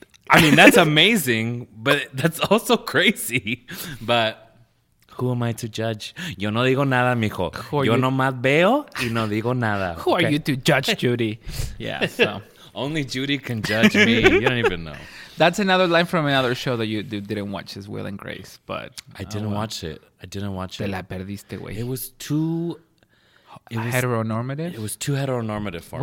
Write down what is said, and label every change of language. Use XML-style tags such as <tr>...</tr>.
<en>I mean, that's amazing, but that's also crazy. But who am I to judge?</en> <es>Yo no digo nada, mijo. Yo nomás veo y no digo nada.</es> <en>Who are you to judge, Judy? Yeah, so. Only Judy can judge me. You don't even know. That's another line from another show that you didn't watch, is Will and Grace. But I didn't watch it.</en> <es>Te la perdiste, güey.</es> <en>It was heteronormative? It was too heteronormative for me.</en>